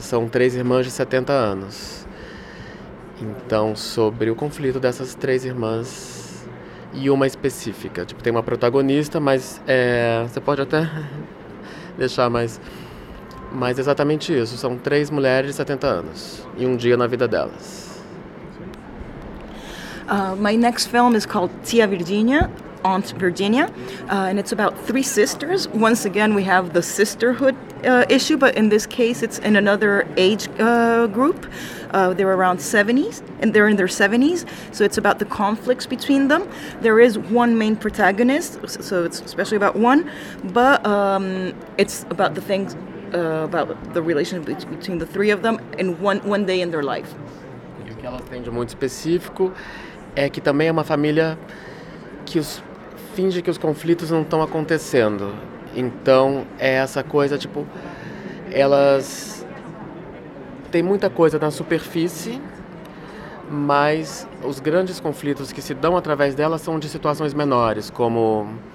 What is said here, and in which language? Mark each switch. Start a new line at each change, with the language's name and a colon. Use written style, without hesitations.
Portuguese: São três irmãs de 70 anos. Então, sobre o conflito dessas três irmãs e uma específica. Tipo, tem uma protagonista, mas você pode até deixar mais... Mas exatamente isso, são três mulheres de 70 anos e um dia na vida delas.
English: My next film is called Tia Virginia, Aunt Virginia, and it's about three sisters. Once again, we have the sisterhood issue, but in this case, it's in another age group. They're around 70s, and they're in their 70s, so it's about the conflicts between them. There is one main protagonist, so it's especially about one, but it's about the things... about the relationship between the three of them and one day in their life.
Portuguese: E o que ela tem de muito específico é que também é uma família que finge que os conflitos não estão acontecendo. Então é essa coisa, tipo, elas têm muita coisa na superfície, mas os grandes conflitos que se dão através delas são de situações menores, como...